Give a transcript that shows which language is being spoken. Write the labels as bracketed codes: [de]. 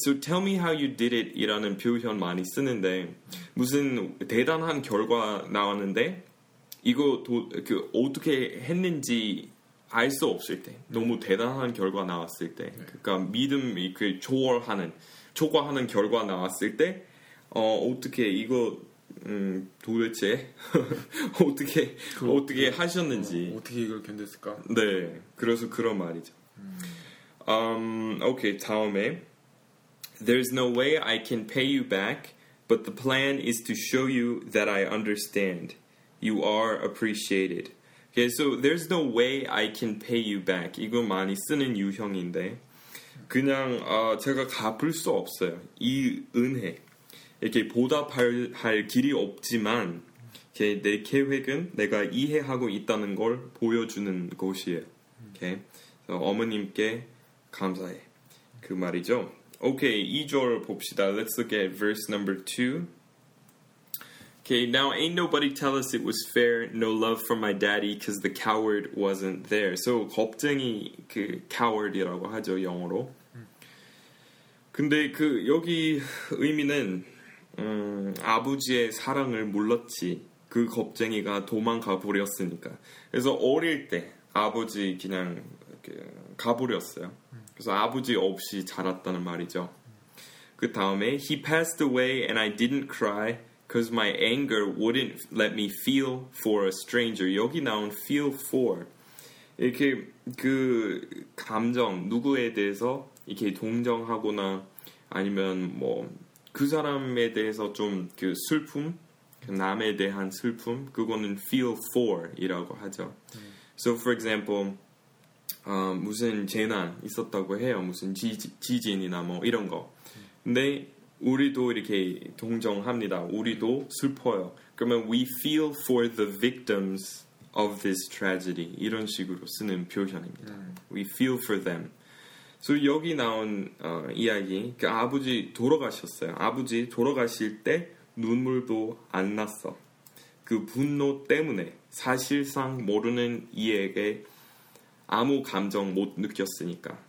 [en] So tell me how you did it [ko] 이라는 표현 많이 쓰는데 무슨 대단한 결과 나왔는데 이거 그 어떻게 했는지 알 수 없을 때 너무 대단한 결과 나왔을 때 그러니까 믿음이 그 초과하는 결과 나왔을 때 어떻게 이거 도대체 어떻게 하셨는지 어떻게 이걸 견뎠을까? 네, 그래서 그런 말이죠. 오케이 다음에 [en] There's no way I can pay you back, but the plan is to show you that I understand. You are appreciated. Okay, so there's no way I can pay you back. [ko] 이거 많이 쓰는 유형인데 그냥 제가 갚을 수 없어요. 이 은혜 이렇게 보답할 할 길이 없지만 이렇게 내 계획은 내가 이해하고 있다는 걸 보여주는 것이에요. 오케이, okay? so, 어머님께 감사해. 그 말이죠. 오케이, okay, 2절 봅시다. [en] Let's look at verse number 2. Okay, now ain't nobody tell us it was fair, no love from my daddy, cause the coward wasn't there. [ko] So, 겁쟁이, 그, coward이라고 하죠, 영어로. 근데 그, 여기 의미는, 아버지의 사랑을 몰랐지. 그 겁쟁이가 도망가 버렸으니까. 그래서 어릴 때, 아버지 그냥, 이렇게 가버렸어요. 그래서 아버지 없이 자랐다는 말이죠. 그 다음에, [en] he passed away and I didn't cry. Because my anger wouldn't let me feel for a stranger. [ko] 여기 나온 feel for. 이렇게 그 감정, 누구에 대해서 이렇게 동정하거나 아니면 뭐 그 사람에 대해서 좀 그 슬픔, 남에 대한 슬픔, 그거는 feel for 이라고 하죠. [en] So for example, [ko] 무슨 재난 있었다고 해요. 무슨 지진이나 뭐 이런 거. 근데 우리도 이렇게 동정합니다. 우리도 슬퍼요. 그러면 [en] we feel for the victims of this tragedy. [ko] 이런 식으로 쓰는 표현입니다. [en] We feel for them. [ko] So 여기 나온 이야기, 그 아버지 돌아가셨어요. 아버지 돌아가실 때 눈물도 안 났어. 그 분노 때문에 사실상 모르는 이에게 아무 감정 못 느꼈으니까.